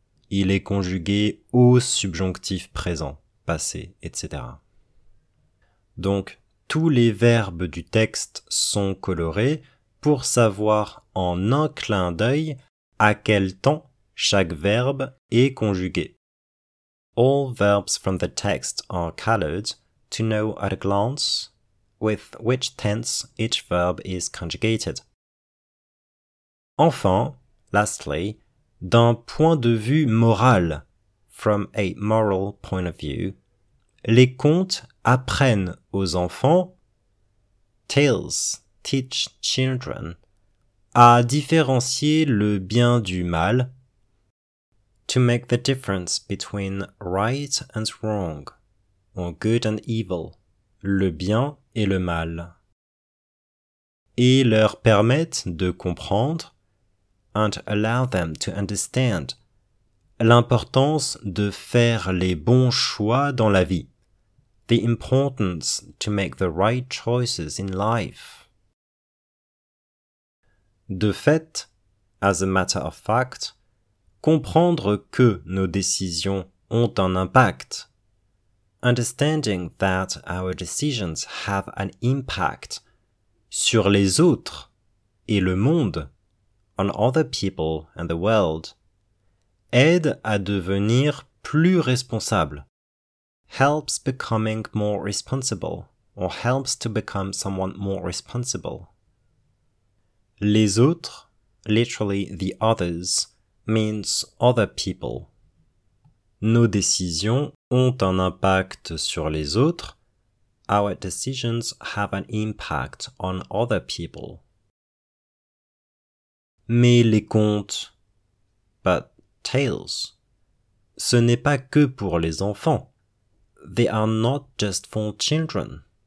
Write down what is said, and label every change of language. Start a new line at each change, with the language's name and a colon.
French: Il est conjugué au subjonctif présent, passé, etc. Donc, tous les verbes du texte sont colorés pour savoir en un clin d'œil à quel temps chaque verbe est conjugué.
English: All verbs from the text are colored to know at a glance with which tense each verb is conjugated.
French: Enfin, lastly, d'un point de vue moral,
English: from a moral point of view,
French: les contes apprennent aux enfants.
English: Tales teach children
French: À différencier le bien du mal.
English: To make the difference between right and wrong, or good and evil.
French: Le bien et le mal. Et leur permettre de comprendre.
English: And allow them to understand.
French: L'importance de faire les bons choix dans la vie.
English: The importance to make the right choices in life.
French: De fait,
English: as a matter of fact,
French: comprendre que nos décisions ont un impact.
English: Understanding that our decisions have an impact
French: sur les autres et le monde,
English: on other people and the world,
French: aide à devenir plus responsable.
English: Helps becoming more responsible, or helps to become someone more responsible.
French: Les autres,
English: literally the others, means other people.
French: Nos décisions ont un impact sur les autres.
English: Our decisions have an impact on other people.
French: Mais les contes,
English: but tales,
French: ce n'est pas que pour les enfants.
English: They are not just for children.